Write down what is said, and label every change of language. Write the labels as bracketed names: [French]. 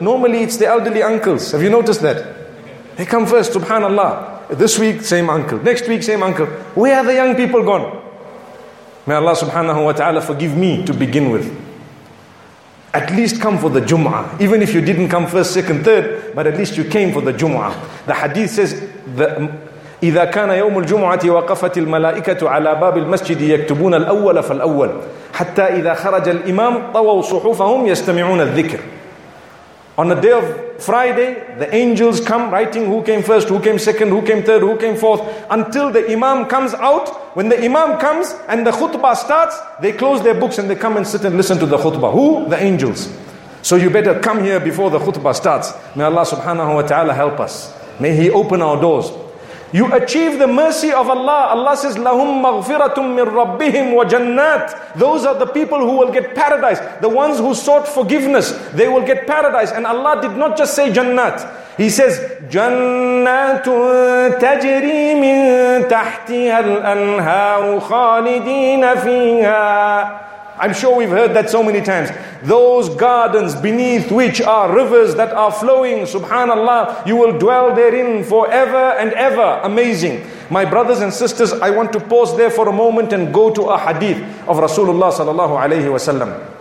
[English] Normally it's the elderly uncles. Have you noticed that? They come first, subhanallah. This week, same uncle. Next week, same uncle. Where are the young people gone? May Allah subhanahu wa ta'ala forgive me to begin with. At least come for the Jum'ah. Even if you didn't come first, second, third, but at least you came for the Jum'ah. The hadith says, [Arabic] إذا كان يوم الجمعة وقفت الملائكة على باب المسجد يكتبون الأول فالأول حتى إذا خرج الإمام طووا صحفهم يستمعون الذكر. [English] On a day of Friday, the angels come writing who came first, who came second, who came third, who came fourth, until the imam comes out. When the imam comes and the khutbah starts, they close their books and they come and sit and listen to the khutbah. Who? The angels. So you better come here before the khutbah starts. May Allah subhanahu wa ta'ala help us. May He open our doors. You achieve the mercy of Allah. Allah says, [Arabic] لَهُمْ مَغْفِرَةٌ مِّن رَبِّهِمْ وَجَنَّاتٍ. [English] Those are the people who will get paradise. The ones who sought forgiveness, they will get paradise. And Allah did not just say jannat. He says, [Arabic] جَنَّاتٌ تَجْرِي مِن تَحْتِهَا الْأَنْهَارُ خَالِدِينَ فِيهَا. [English] I'm sure we've heard that so many times. Those gardens beneath which are rivers that are flowing, subhanallah, you will dwell therein forever and ever. Amazing. My brothers and sisters, I want to pause there for a moment and go to a hadith of Rasulullah sallallahu alayhi wasallam.